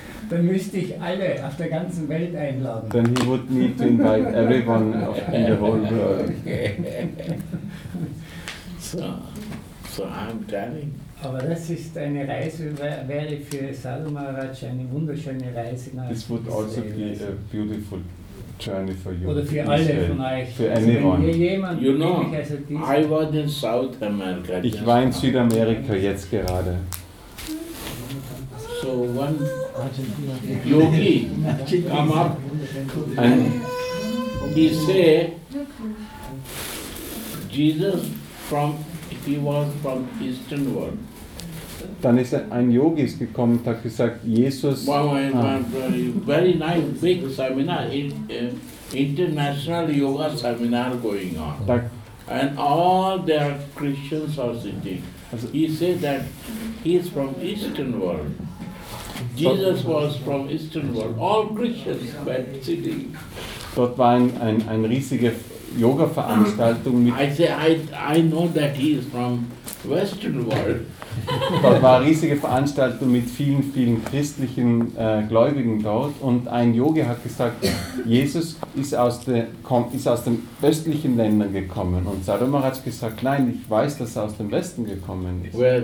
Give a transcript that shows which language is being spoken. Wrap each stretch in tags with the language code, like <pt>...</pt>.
<de>Dann müsste ich alle auf der ganzen Welt einladen.</de> <en>Then he would need to invite everyone in the whole world. So I'm telling.</en> <de>Aber das ist eine Reise, wäre für Sadhumaraj eine wunderschöne Reise nach</de> <en>Israel. This would also be a beautiful journey for you.</en> <de>Oder für alle von euch.</de> <en>For anyone. You know, I was in South America.</en> <de>Ich war in Südamerika jetzt gerade.</de> <en>So one yogi come up and he say Jesus from, he was from Eastern world.</en> <de>Dann ist ein Yogi gekommen und hat gesagt, Jesus.</de> <en>Very nice big seminar, international yoga seminar going on. And all their Christians are sitting. He said that he is from Eastern world. Jesus was from Eastern world. All Christians were sitting.</en> <de>Dort war ein riesiger Yoga-Veranstaltungen mit.</de> <en>I know that he is from Western world.</en> <de>Dort war eine riesige Veranstaltung mit vielen, vielen christlichen Gläubigen dort. Und ein Yogi hat gesagt, Jesus ist aus den östlichen Ländern gekommen. Und Sadhumar hat gesagt, nein, ich weiß, dass er aus dem Westen gekommen ist.</de>